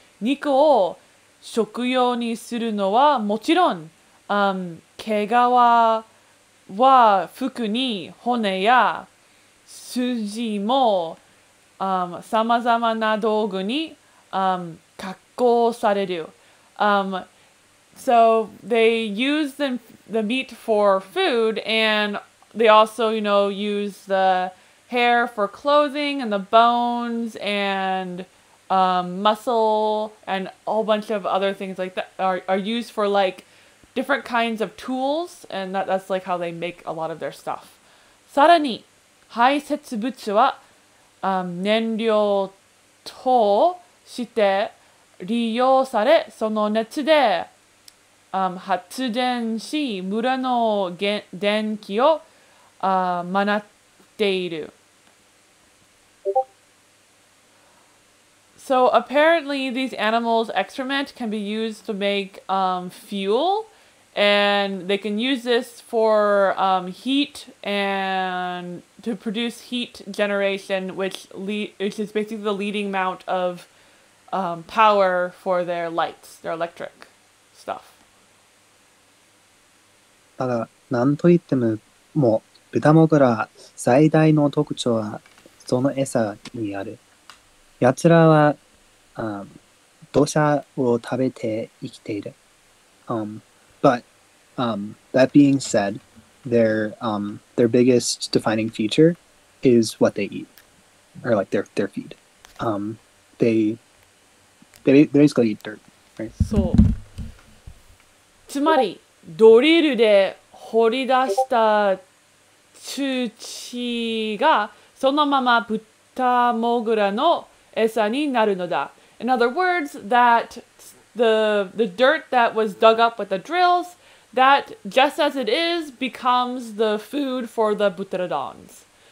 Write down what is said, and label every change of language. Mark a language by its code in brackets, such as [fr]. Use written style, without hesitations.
[ja] 肉を食用にするのはもちろん、毛皮は服に骨や筋も、さまざまな道具に加工される。 [en] So they use the meat for food, and they also, you know, use the hair for clothing and the bones and muscle and a whole bunch of other things like that are used for like different kinds of tools, and that's like how they make a lot of their stuff. [ja] さらに、排泄物は燃料として利用され、その熱で発電し、村の電気を賄っている。 [en] So apparently these animals' excrement can be used to make fuel, and they can use this for heat and to produce heat generation, which is basically the leading mount of power for their lights, their electric stuff. [ja] だが、何と言っても、もう、豚もぐら最大の特徴は、その餌にある。奴らは、土砂を食べて生きている。 [en] That being said, their biggest defining feature is what they eat, or like their feed. They basically eat dirt, right? [ja] そう。つまり、ドリルで掘り出した土がそのままブタモグラの餌になるのだ。 [en] In other words, that the dirt that was dug up with the drills, that just as it is, becomes the food for the butterdons.